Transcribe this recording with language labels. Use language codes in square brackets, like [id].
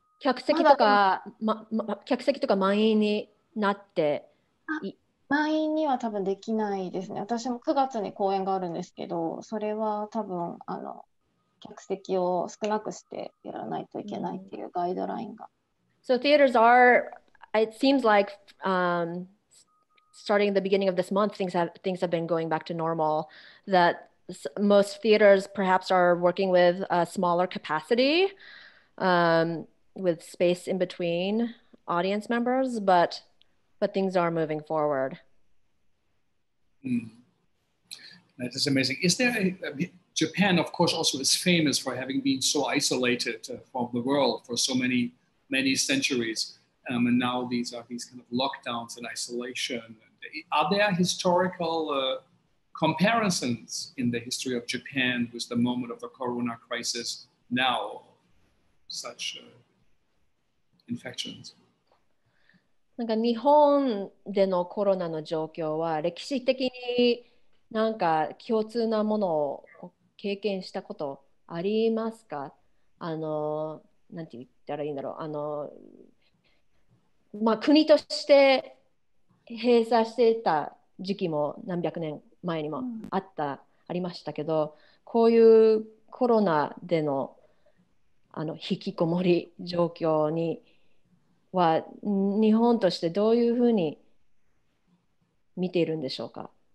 [ja] 客席とか、客席とか満員になって満員には多分できないですね。私も9月に公演があるんですけど、それは多分あの客席を少なくしてやらないといけないっていうガイドラインが。 [en] So theaters are, it seems like, starting the beginning of this month, things have been going back to normal. That most theaters perhaps are working with a smaller capacity, with space in between audience members, but things are moving forward. Mm. That is amazing. Is there Japan, of course, also is famous for having been so isolated from the world for so many, many centuries. And now these are these kind of lockdowns and isolation. Are there historical comparisons in the history of Japan with the moment of the corona crisis now, such infections? [ja] なんか日本でのコロナの状況は歴史的になんか共通なものを経験したことありますか？あのなんて言ったらいいんだろう、あの、まあ、国として閉鎖していた時期も何百年前にもあった、うん、ありましたけど、こういうコロナでの、あの引きこもり状況には日本としてどういうふうに見ているんでしょうか。